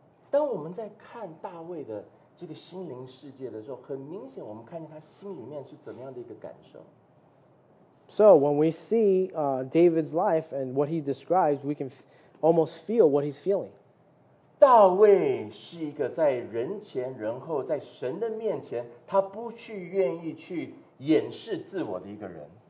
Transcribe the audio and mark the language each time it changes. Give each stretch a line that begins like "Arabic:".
Chinese: 当我们在看大卫的这个心灵世界的时候，很明显我们看见他心里面是怎么样的一个感受。
English: So when we see David's life and what he describes, we can almost feel what he's feeling.
Chinese: 大卫是一个在人前人后在神的面前他不去愿意去掩饰自我的一个人。